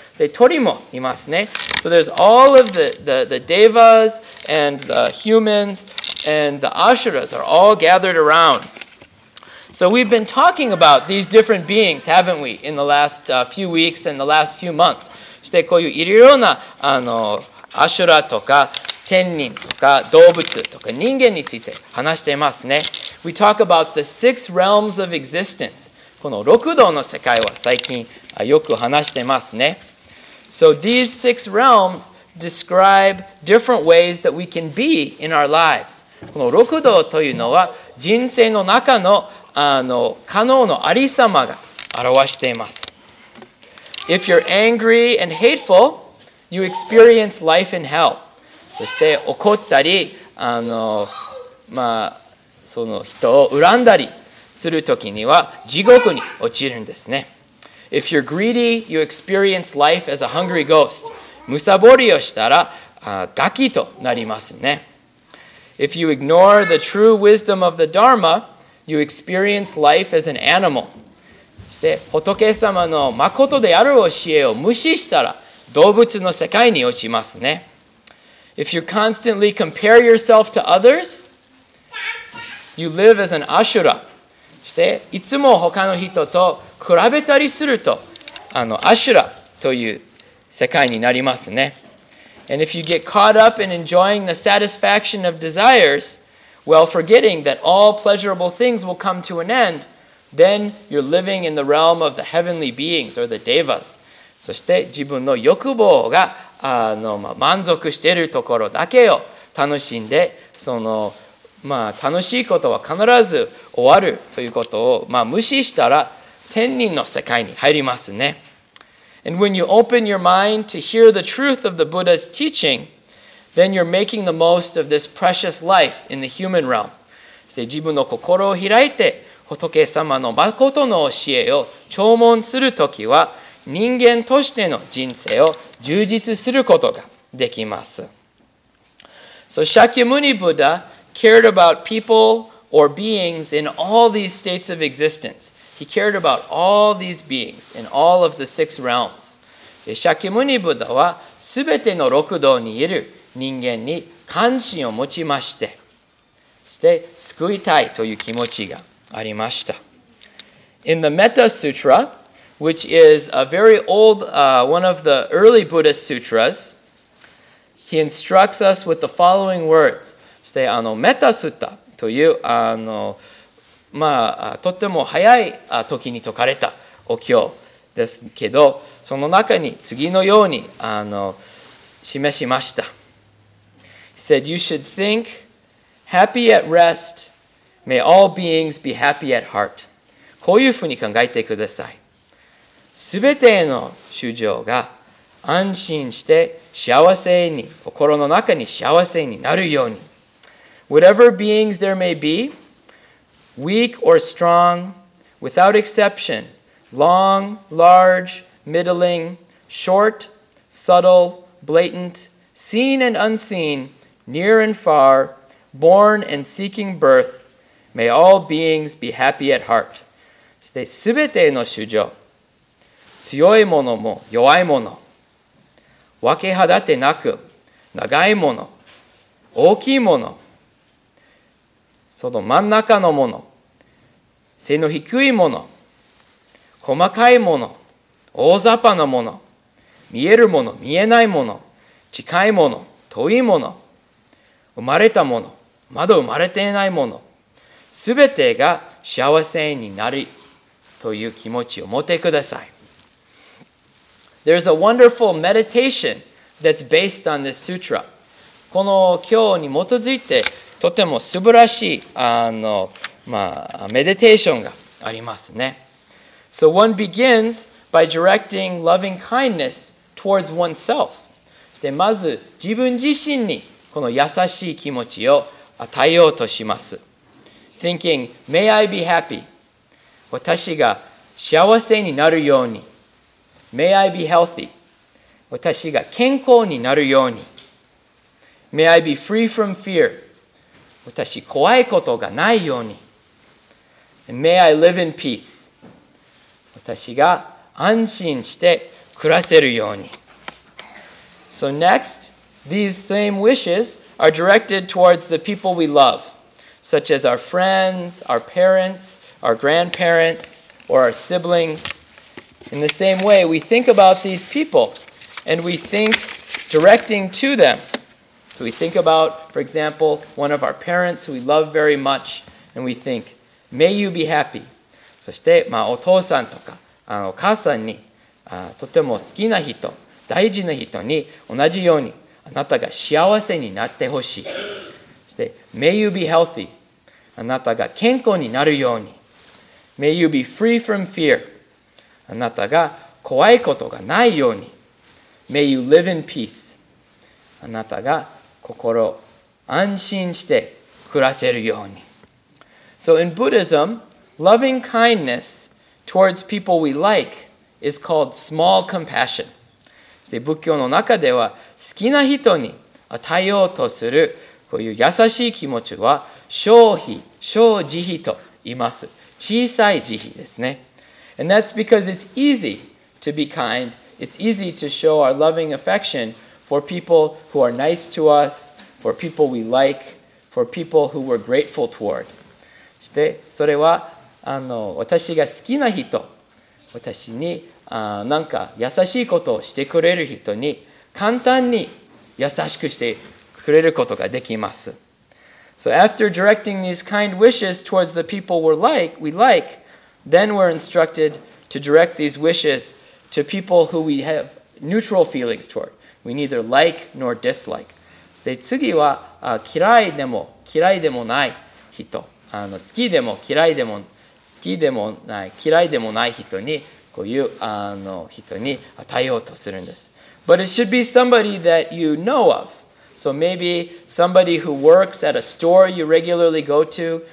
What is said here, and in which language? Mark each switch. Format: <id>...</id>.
<ja>で、鳥もいますね。</ja> <en>So there's all of the devas and the humans and the asuras are all gathered around. So we've been talking about these different beings, haven't we, in the last few weeks and the last few months.</en> <ja>そしてこういういろいろなアシュラとか天人とか動物とか人間について話していますね。</ja> <en>We talk about the six realms of existence.</en> <ja>この六道の世界は最近よく話していますね。</ja> <en>So these six realms describe different ways that we can be in our lives.</en> <ja>この六道というのは人生の中の可能のありさまが表しています。</ja> <en>If you're angry and hateful, you experience life in hell.</en> <ja>そして怒ったり、その人を恨んだりするときには地獄に落ちるんですね。</ja> <en>If you're greedy, you experience life as a hungry ghost.</en> <ja>むさぼりをしたら、ガキとなりますね。</ja> <en>If you ignore the true wisdom of the Dharma, you experience life as an animal.</en> <ja>そして、仏様の誠である教えを無視したら、動物の世界に落ちますね。</ja> <en>If you constantly compare yourself to others, you live as an asura.</en> <ja>そして、いつも他の人と比べたりすると、アシュラという世界になりますね。</ja> <en>And if you get caught up in enjoying the satisfaction of desires, while forgetting that all pleasurable things will come to an end, then you're living in the realm of the heavenly beings or the devas.</en> <ja>そして、自分の欲望が満足しているところだけを楽しんで、そのまあ、楽しいことは必ず終わるということを、まあ、無視したら天人の世界に入りますね。</ja> <en>And when you open your mind to hear the truth of the Buddha's teaching, then you're making the most of this precious life in the human realm.</en> <ja>で、自分の心を開いて仏様の誠の教えを聴聞するときは、人間としての人生を充実することができます。</ja> <en>So Shakyamuni Buddha cared about people or beings in all these states of existence. He cared about all these beings in all of the six realms.</en> <ja>Shakyamuni Buddha はすべての六道にいる人間に関心を持ちまして、そして救いたいという気持ちがありました。</ja> <en>In the Metta Sutra, which is a very old, one of the early Buddhist sutras,He instructs us with the following words.</en> <ja>そしてあのメタスッタというあの、まあ、とても早い時に説かれたお経ですけど、その中に次のようにあの示しました。</ja> <en>He said, You should think, happy at rest, may all beings be happy at heart.</en> <ja>こういうふうに考えてください。すべての修行が安心して幸せに、心の中に幸せになるように。</ja> <en>Whatever beings there may be, weak or strong, without exception, long, large, middling, short, subtle, blatant, seen and unseen, near and far, born and seeking birth, may all beings be happy at heart.</en> <ja>そして、すべての修行、強いものも弱いもの、分け隔てなく、長いもの、大きいもの、その真ん中のもの、背の低いもの、細かいもの、大雑把なもの、見えるもの、見えないもの、近いもの、遠いもの、生まれたもの、まだ生まれていないもの、すべてが幸せになるという気持ちを持ってください。</ja> <en>There's a wonderful meditation that's based on this sutra.</en> <ja>この経に基づいてとても素晴らしいあの、まあ、メディテーションがありますね。</ja> <en>So one begins by directing loving kindness towards oneself.</en> <ja>そしてまず自分自身にこの優しい気持ちを与えようとします。</ja> <en>Thinking, may I be happy?</en> <ja>私が幸せになるように。</ja> <en>May I be healthy?</en> <ja>私が健康になるように。</ja> <en>May I be free from fear?</en> <ja>私怖いことがないように。</ja> <en>And may I live in peace?</en> <ja>私が安心して暮らせるように。</ja> <en>So next, these same wishes are directed towards the people we love, such as our friends, our parents, our grandparents, or our siblings. In the same way, we think about these people and we think directing to them. So we think about, for example, one of our parents who we love very much and we think, may you be happy.</en> <ja>そして、まあ、お父さんとかあのお母さんにあとても好きな人、大事な人に同じようにあなたが幸せになってほしい。そして、</ja> <en>may you be healthy.</en> <ja>あなたが健康になるように。</ja> <en>May you be free from fear.</en> <ja>あなたが怖いことがないように。</ja> <en>May you live in peace.</en> <ja>あなたが心安心して暮らせるように。</ja> <en>So in Buddhism, loving kindness towards people we like is called small compassion.</en> <ja>そして仏教の中では好きな人に与えようとするこういう優しい気持ちは小慈悲と言います。小さい慈悲ですね。</ja> <en>And that's because it's easy to be kind. It's easy to show our loving affection for people who are nice to us, for people we like, for people who we're grateful toward.</en> <ja>そして、それは、あの、私が好きな人、私に、なんか優しいことをしてくれる人に、簡単に優しくしてくれることができます。</ja> <en>So after directing these kind wishes towards the people we like,Then we're instructed to direct these wishes to people who we have neutral feelings toward. We neither like nor dislike.</en> <ja>で次は嫌いでも嫌いでもない人、好きでも嫌いでも好きでもない嫌いでもない人にこういう人に与えようとするんです。</ja> <en>But it should be somebody that you know of. So maybe somebody who works at a store you regularly go to.</en>